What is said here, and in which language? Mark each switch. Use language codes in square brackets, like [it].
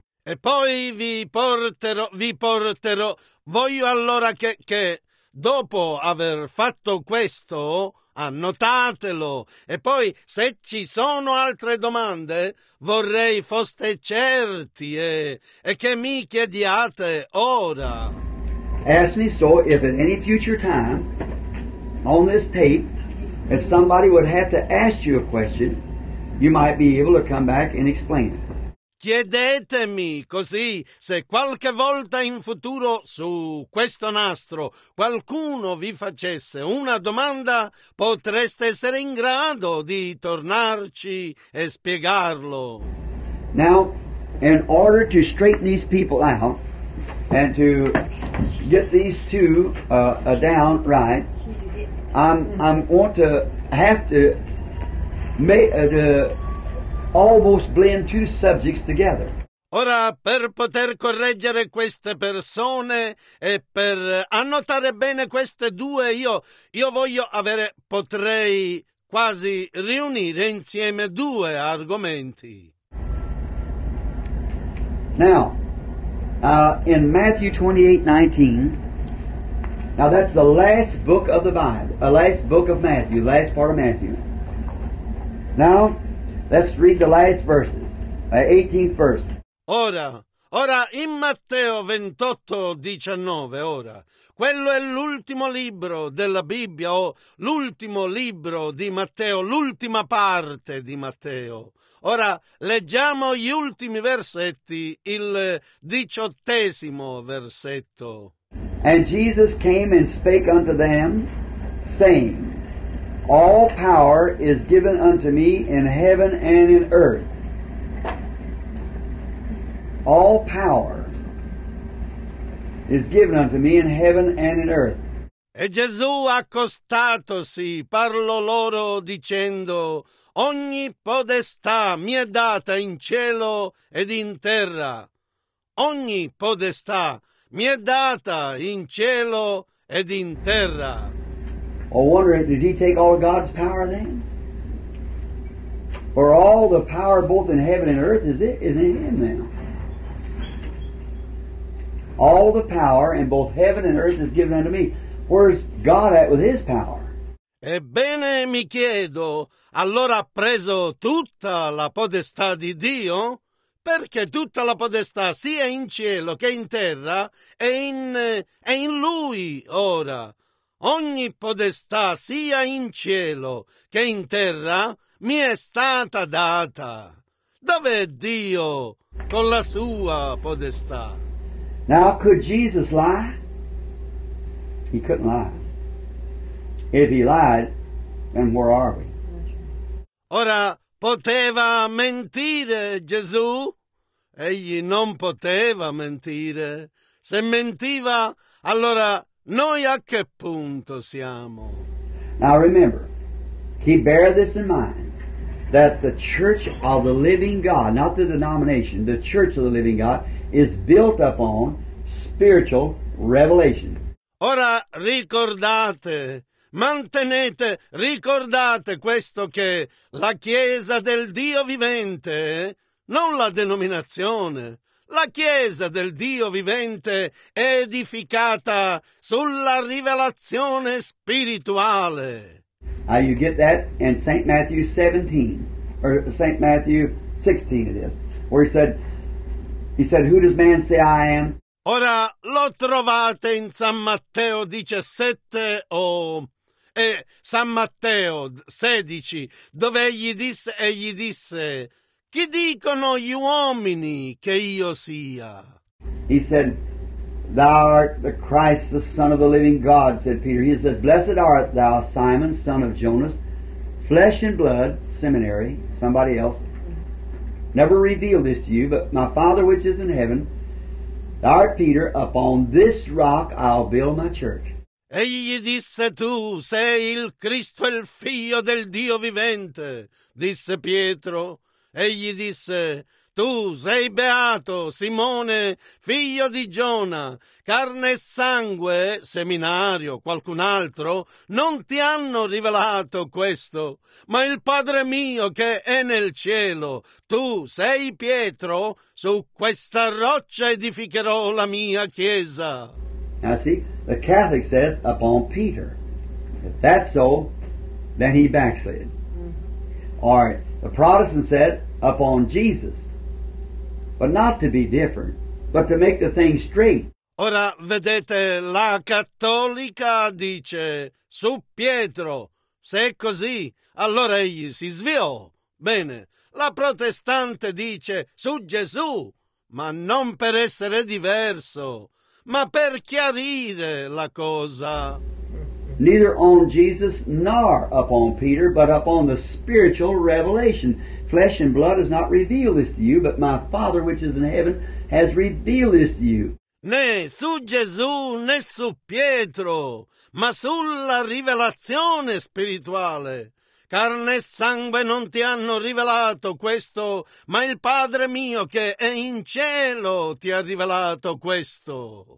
[it] E poi vi porterò, voglio allora che dopo aver fatto questo, annotatelo, e poi se ci sono altre domande, vorrei foste certi e che mi chiediate ora. [en] Ask me so if at any future time on this tape, if somebody would have to ask you a question, you might be able to come back and explain it. [it] Chiedetemi così, se qualche volta in futuro su questo nastro qualcuno vi facesse una domanda, potreste essere in grado di tornarci e spiegarlo. [en] Now, in order to straighten these people out and to get these two down right, I'm want to have to make to almost blend two subjects together. [it] Ora, per poter correggere queste persone e per annotare bene queste due, io voglio avere, potrei quasi riunire insieme due argomenti. [en] Now, in Matthew 28:19. Now that's the last book of the Bible, the last book of Matthew, last part of Matthew. Now, let's read the last verses, the 18th verse. [it] Ora in Matteo 28:19, ora, quello è l'ultimo libro della Bibbia, o l'ultimo libro di Matteo, l'ultima parte di Matteo. Ora, leggiamo gli ultimi versetti, il 18° versetto. [en] And Jesus came and spake unto them, saying, All power is given unto me in heaven and in earth. All power is given unto me in heaven and in earth. [it] E Gesù accostatosi parlò loro dicendo, Ogni potestà mi è data in cielo ed in terra. Ogni potestà mi è data in cielo ed in terra. [en] I wonder, did he take all of God's power then? For all the power both in heaven and earth is in him now. All the power in both heaven and earth is given unto me. Where's God at with his power? [it] Ebbene, mi chiedo, allora ha preso tutta la potestà di Dio? Perché tutta la potestà sia in cielo che in terra è in Lui ora. Ogni potestà sia in cielo che in terra mi è stata data. Dov'è Dio con la sua potestà? [en] Now could Jesus lie? He couldn't lie. If he lied, then where are we? [it] Ora, poteva mentire Gesù? Egli non poteva mentire. Se mentiva, allora noi a che punto siamo? [en] Now remember, keep bear this in mind, that the church of the living God, not the denomination, the church of the living God, is built upon spiritual revelation. [it] Ora ricordate, mantenete, ricordate questo, che la Chiesa del Dio vivente, non la denominazione, la Chiesa del Dio vivente è edificata sulla rivelazione spirituale. [en] Now you get that in St. Matthew 17, or St. Matthew 16 it is, where he said, who does man say I am? [it] Ora lo trovate in San Matteo 17 o... San Matteo 16, dove egli disse, chi dicono gli uomini che io sia? [en] He said, thou art the Christ, the Son of the living God, said Peter. He said, blessed art thou, Simon, son of Jonas, flesh and blood, seminary, somebody else, never revealed this to you, but my Father which is in heaven, thou art Peter, upon this rock I'll build my church. [it] Egli disse, tu sei il Cristo, il figlio del Dio vivente, disse Pietro. Egli disse, tu sei beato, Simone, figlio di Giona, carne e sangue, seminario, qualcun altro, non ti hanno rivelato questo, ma il Padre mio che è nel cielo. Tu sei Pietro, su questa roccia edificherò la mia chiesa. [en] Now see, the Catholic says upon Peter. If that's so, then he backslid. Mm-hmm. Or the Protestant said upon Jesus. But not to be different, but to make the thing straight. [it] Ora vedete, la cattolica dice su Pietro. Se è così, allora egli si sviò. Bene, la protestante dice su Gesù, ma non per essere diverso, ma per chiarire la cosa. [en] Neither on Jesus nor upon Peter, but upon the spiritual revelation. Flesh and blood has not revealed this to you, but my Father which is in heaven has revealed this to you. [it] Né su Gesù né su Pietro, ma sulla rivelazione spirituale. Carne e sangue non ti hanno rivelato questo, ma il Padre mio che è in cielo ti ha rivelato questo.